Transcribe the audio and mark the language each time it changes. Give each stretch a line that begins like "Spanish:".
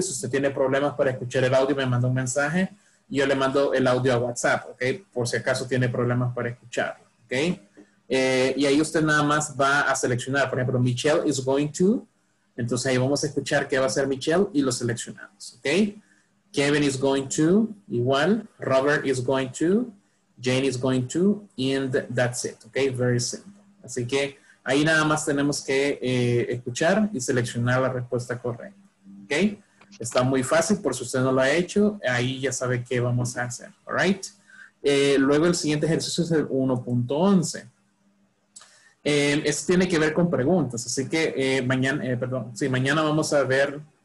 Spanish: Si usted tiene problemas para escuchar el audio, me manda un mensaje. Y yo le mando el audio a WhatsApp, okay? Por si acaso tiene problemas para escucharlo. Okay? Y ahí usted nada más va a seleccionar. Por ejemplo,
English: Michelle is going to.
Spanish: Entonces, ahí vamos a escuchar qué va a hacer Michelle y lo seleccionamos. Okay?
English: Kevin is going to, igual, Robert is going to, Jane is going to, and that's it, okay? Very simple.
Spanish: Así que ahí nada más tenemos que escuchar y seleccionar la respuesta correcta, okay? Está muy fácil, por si usted no lo ha hecho, ahí ya sabe qué vamos a hacer, all right? Luego el siguiente ejercicio es el 1.11. Eso tiene que ver con preguntas, así que mañana vamos a ver.